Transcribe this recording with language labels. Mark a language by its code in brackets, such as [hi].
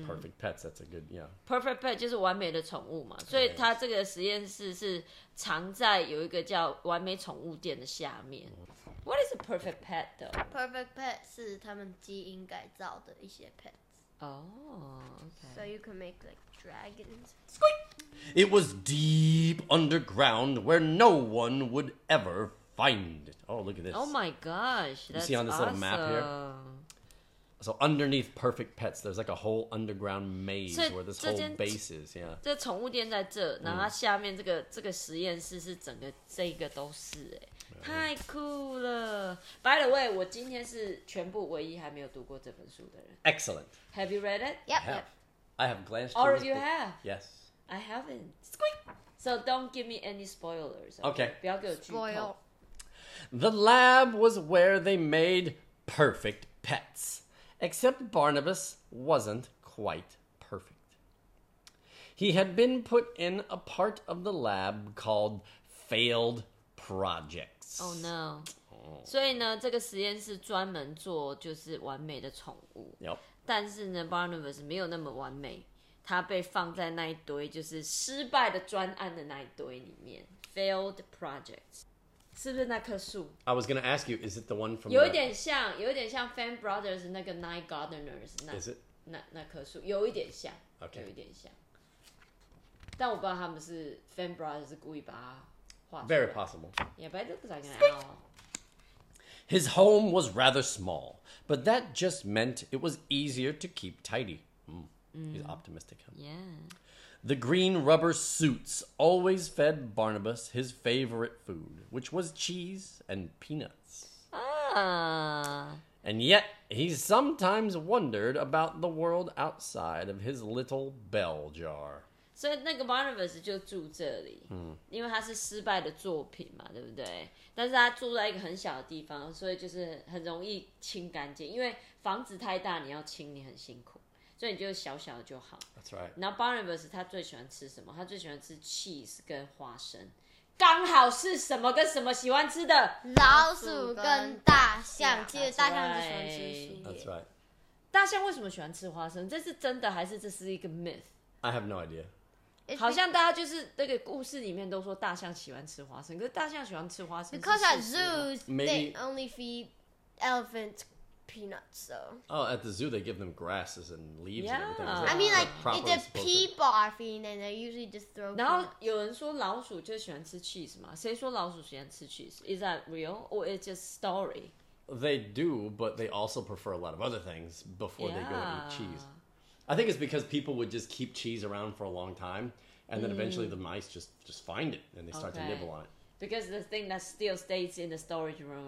[en] Perfect pets, that's a good, yeah. [zh] Perfect pet 就是完美的宠物嘛。所以它这个实验室是藏在有一个叫完美宠物店的下面。 [en] What is a perfect pet, though? [zh] Perfect pet 是他们基因改造的一些 pet. [en] Oh, okay. So you can make, like, dragons. Squeak! It was deep underground where no one would ever find it. Oh, look at this. Oh my gosh, that's You see on this、 awesome. Little map here? So underneath Perfect Pets, there's like a whole underground maze where this whole base is. Yeah. [zh] 这宠物店在这，然后它下面这个、mm. 这个实验室是整个这个都是哎、欸。太酷了 ！ [en] By the way, [zh] 我今天是全部唯一还没有读过这本书的人。 [en] Excellent. Have you read it? Yep. I have. I have glanced. All of you have. Yes. I haven't. Squeak. So don't give me any spoilers. Okay. [zh] okay. 不要给我剧透。 [en] Spoil. The lab was where they made perfect pets, except Barnabus wasn't quite perfect. He had been put in a part of the lab called failed projects. Oh no. Oh. [zh] 所以呢这个实验室专门做就是完美的宠物。 [en] Yep. [zh] 但是呢 Barnabus 没有那么完美。他被放在那一堆就是失败的专案的那一堆里面。 [en] Failed projects. [zh] 是不是那棵树 [en] ？I was gonna ask you, is it the one from? [zh] 有一点像，有一点像 Fan Brothers 那个 Nine Gardeners 那 [en] is it? [zh] 那棵树，有一点像， [en] okay. [zh] 有一点像。但我不知道他们是 Fan Brothers 是故意把它画出来。 [en] Very possible. Yeah, but it looks like an owl. His home was rather small, but that just meant it was easier to keep tidy. He's optimistic. Yeah. The green rubber suits always fed Barnabus his favorite food, which was cheese and peanuts. Ah. And yet, he sometimes wondered about the world outside of his little bell jar. [zh] So, 那个 Barnabus 就住这里，因为他是失败的作品嘛，对不对？但是他住在一个很小的地方，所以就是很容易清干净，因为房子太大，你要清，你很辛苦。所以你就小小的就好。 [en] That's right. [zh] 然后 Barnabus 他最喜欢吃什么？他最喜欢吃 cheese 跟花生，刚好是什么跟什么喜欢吃的？老鼠跟大象。其实大象只喜欢吃树叶。 [en] That's right. [zh] 大象为什么喜欢吃花生？这是真的还是这是一个 myth？ [en] I have no idea. [zh] 好像大家就是那个故事里面都说大象喜欢吃花生，可是大象喜欢吃花生是事实吗？ [en] Because at zoos they only feed elephants. Peanuts, though. Oh, at the zoo, they give them grasses and leaves. Yeah, and everything. I mean, like it's a pea barfing, and they usually just throw. [zh] 然后有人说老鼠就喜欢吃 cheese 嘛？谁说老鼠喜欢吃 cheese? [en] Is that real or it's just story? They do, but they also prefer a lot of other things before they go and eat cheese. I think it's because people would just keep cheese around for a long time, and then eventually the mice just find it and they start to nibble on it. Because the thing that still stays in the storage room,